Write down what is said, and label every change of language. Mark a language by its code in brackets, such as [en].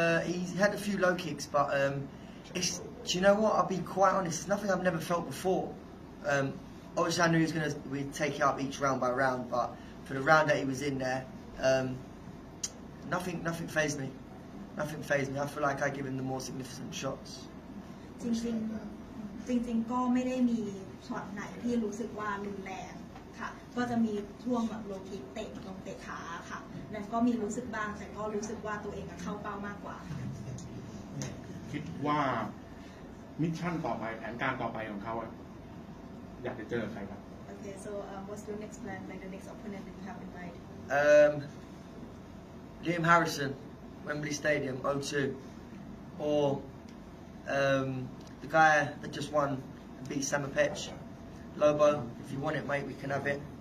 [en] he had a few low kicks but it's do you know what I'll be quite honest it's nothing I've never felt before obviously I knew he was gonna we take it up each round by round but for the round that he was in there nothing fazed meNothing fazed me. I feel like I give him the more significant shots. [th] จริงๆก็ไม่ได้มีช็อตไหนที่รู้สึกว่ารุนแรงค่ะก็จะมีช่วงแบบโลคิเตะลงเตะขาค่ะแล้วก็มีรู้สึกบ้างแต่ก็รู้สึกว่าตัวเองเข้าเป้ามากกว่า คิดว่ามิชชั่นต่อไปแผนการต่อไปของเขาอยากจะเจอใครครับ [en] Okay, so what's your next plan? Like the next opponent that you have in mind? Liam Harrison. Wembley Stadium, O2, or the guy that just won and beat Samopech, Lobo, if you want it mate, we can have it.